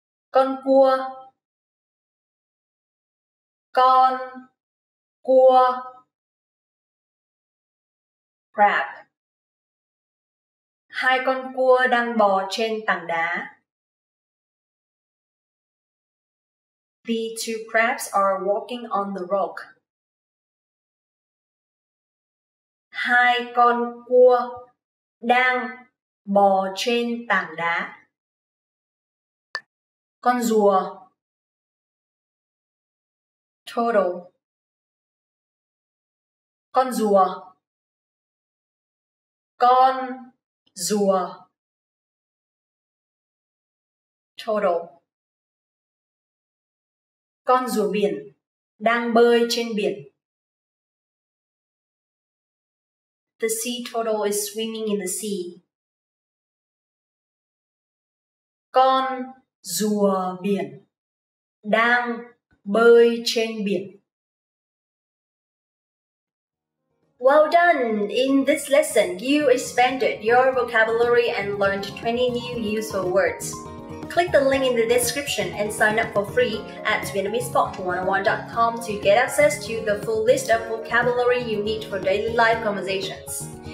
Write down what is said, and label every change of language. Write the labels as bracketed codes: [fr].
[vi] Con cua. Con cua. [en] Crab. [vi] Hai con cua đang bò trên tảng đá. [en] The two crabs are walking on the rock. [vi] Hai con cua đang bò trên tảng đá. Con rùa. [en] Turtle. [vi] Con rùa. Con rùa. [en] Turtle. [vi] Con rùa biển đang bơi trên biển. [en] The sea turtle is swimming in the sea. [vi] Con rùa biển đang bơi trên biển. [en] Well done! In this lesson, you expanded your vocabulary and learned 20 new useful words. Click the link in the description and sign up for free at VietnamesePod101.com to get access to the full list of vocabulary you need for daily life conversations.